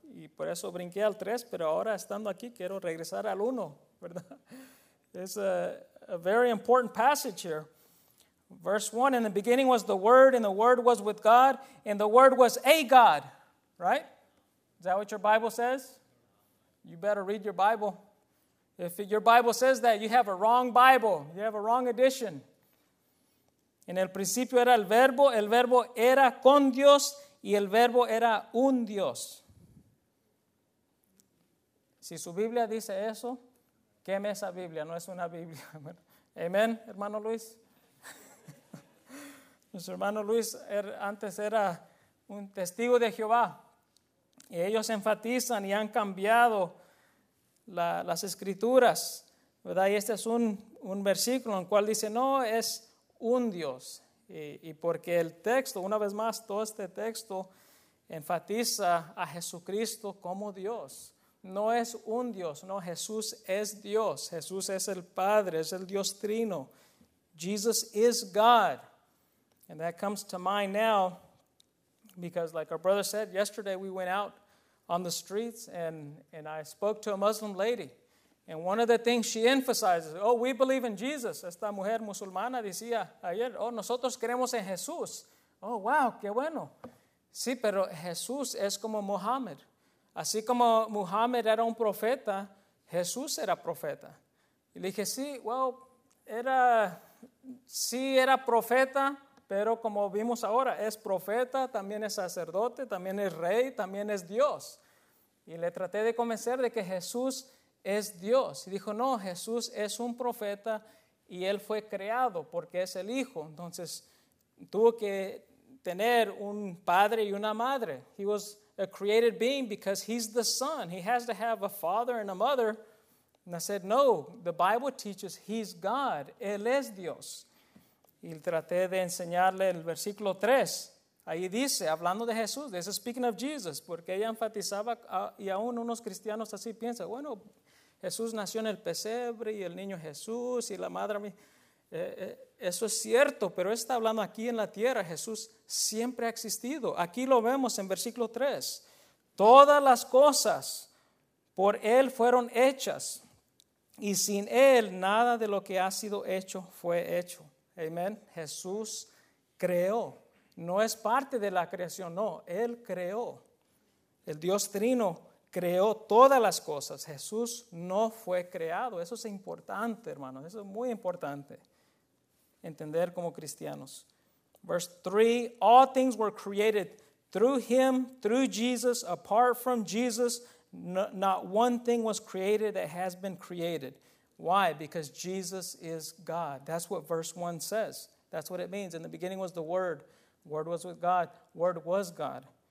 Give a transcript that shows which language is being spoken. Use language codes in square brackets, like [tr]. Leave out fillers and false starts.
[es] Y por eso brinqué al 3, pero ahora estando aquí quiero regresar al 1, ¿verdad? [en] Es a very important passage here. Verse 1, in the beginning was the Word, and the Word was with God, and the Word was a God. Right? Is that what your Bible says? You better read your Bible. If your Bible says that, you have a wrong Bible. You have a wrong edition. [es] En el principio era el verbo era con Dios, y el verbo era un Dios. Si su Biblia dice eso, queme esa Biblia, no es una Biblia. Bueno, amén, hermano Luis. Nuestro hermano Luis antes era un testigo de Jehová. Y ellos enfatizan y han cambiado las escrituras, ¿verdad? Y este es un versículo en el cual dice, no, es un Dios. Y porque el texto, una vez más, todo este texto enfatiza a Jesucristo como Dios. No es un Dios, no, Jesús es Dios. Jesús es el Padre, es el Dios trino. [en] Jesus is God. And that comes to mind now, because like our brother said, yesterday we went out on the streets and I spoke to a Muslim lady. And one of the things she emphasizes, oh, we believe in Jesus. [es] Esta mujer musulmana decía ayer, oh, nosotros creemos en Jesús. Oh, wow, qué bueno. Sí, pero Jesús es como Muhammad. Así como Muhammad era un profeta, Jesús era profeta. Y le dije, sí, well, era profeta, pero como vimos ahora, es profeta, también es sacerdote, también es rey, también es Dios. Y le traté de convencer de que Jesús es Dios. Y dijo, no, Jesús es un profeta y él fue creado porque es el Hijo. Entonces, tuvo que tener un padre y una madre. [en] He was a created being because he's the Son. He has to have a father and a mother. And I said, no, the Bible teaches he's God. [es] Él es Dios. Y traté de enseñarle el versículo 3. Ahí dice, hablando de Jesús, [en] this is speaking of Jesus, [es] porque ella enfatizaba, y aún unos cristianos así piensan, bueno, Jesús nació en el pesebre, y el niño Jesús, y la madre, eso es cierto, pero está hablando aquí en la tierra, Jesús siempre ha existido. Aquí lo vemos en versículo 3. Todas las cosas por él fueron hechas, y sin él nada de lo que ha sido hecho fue hecho. Amén. Jesús creó. No es parte de la creación, no. Él creó. El Dios trino creó todas las cosas. Jesús no fue creado. Eso es importante, hermanos. Eso es muy importante entender como cristianos. [en] Verse 3, all things were created through him, through Jesus. Apart from Jesus, not one thing was created that has been created. Why? Because Jesus is God. That's what verse 1 says. That's what it means. In the beginning was the Word. Word was with God. Word was God.